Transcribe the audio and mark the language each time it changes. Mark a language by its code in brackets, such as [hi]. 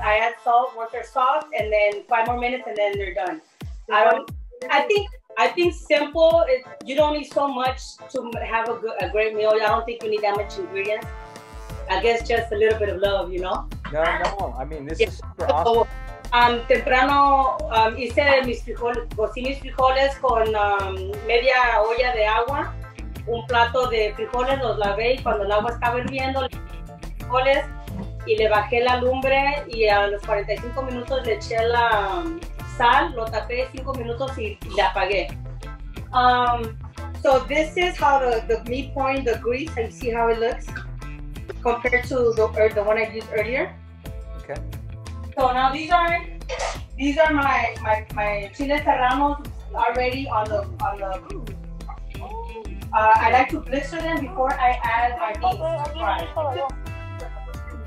[en] I add salt once they're soft, and then 5 more minutes, and then they're done. I think simple. You don't need so much to have a great meal. I don't think you need that much ingredients. I guess just a little bit of love, you know. No. I mean, this is super awesome. [es] Temprano hice mis frijoles, cocí mis frijoles con media olla de agua, un plato de frijoles, los lavé y cuando el agua estaba hirviendo, le eché los frijoles y le bajé la lumbre y a los 45 minutos le eché la sal, lo tapé 5 minutos y le apagué. [en] So this is how the meat point, the grease, you see how it looks compared to the one I used earlier. Okay. So now these are my chile serranos already on the I like to blister them before I add my beans.